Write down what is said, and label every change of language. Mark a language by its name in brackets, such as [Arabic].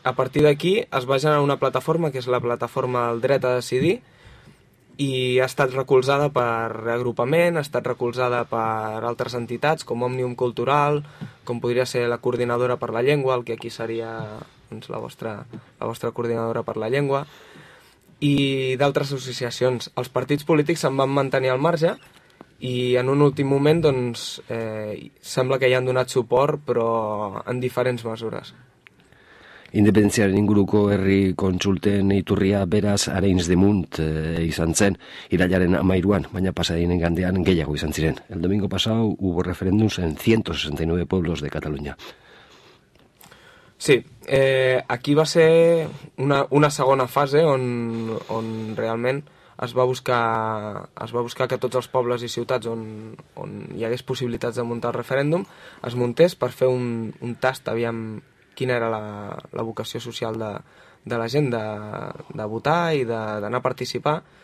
[Catalan] A partir d'aquí es va generar una plataforma, que és la plataforma del dret a decidir, i ha estat recolzada per Reagrupament, ha estat recolzada per altres entitats, com Òmnium Cultural, com podria ser la Coordinadora per la Llengua, el que aquí seria, doncs, la vostra Coordinadora per la Llengua, i d'altres associacions. Els partits polítics se'n van mantenir al marge, i en un últim moment, doncs, sembla que hi han donat suport, però en diferents mesures. [Basque] Independentziaren inguruko herri kontsulten iturria, beraz, Arenys de Munt izan zen, irailaren 13an, baina pasadien igandean gehiago izan ziren. [Spanish] El domingo pasado hubo referéndums en 169 pueblos de Cataluña. [Catalan] Sí, aquí va ser una segona fase on realment es va buscar que tots els pobles i ciutats on hi hagués possibilitats de muntar el referèndum es muntés per fer un tast, aviam quina era la vocació social de la gent de votar i d'anar a participar.